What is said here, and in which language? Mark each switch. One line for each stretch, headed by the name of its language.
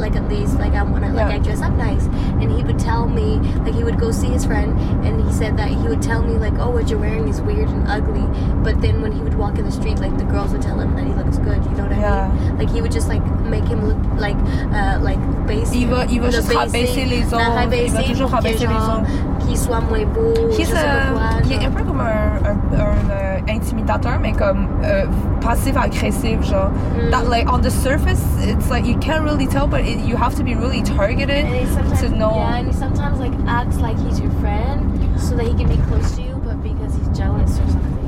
English: Like, at least, like, I want to, like, I dress up nice. And he would tell me, like, he would go see his friend, and he said that he would tell me, like, oh, what you're wearing is weird and ugly. But then when he would walk in the street, like, the girls would tell him that he looks good. You know what I mean? Like, he would just, like, make him look, like basic. Eva, Eva just high basic liso. Not high basic. Eva, high basic liso. He's
French: a peu comme un intimidateur, mais comme passif agressif, genre. Mm.
English: That, like, on the surface, it's like you can't really tell, but it, you have to be really targeted to know. Yeah, and he sometimes, like, acts like he's your friend so that he can be close to you, but because he's jealous or something.